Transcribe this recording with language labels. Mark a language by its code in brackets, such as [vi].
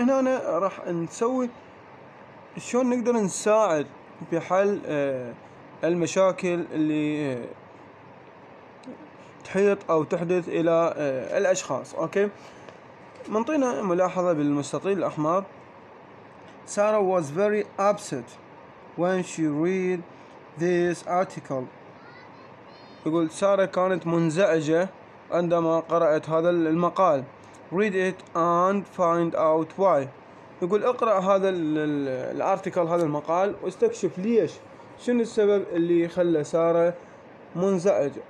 [ar] هنا أنا راح نسوي شلون نقدر نساعد في حل المشاكل اللي تحيط أو تحدث إلى الأشخاص. أوكي، منطينا ملاحظة بالمستطيل الأحمر. [en] Sarah was very upset when she read this article. [ar] يقول سارة كانت منزعجة عندما قرأت هذا المقال. [en] Read it and find out why. [ar] يقول اقرأ هذا الارتيكل، هذا المقال، واستكشف ليش، شنو السبب اللي خلى سارة منزعجة.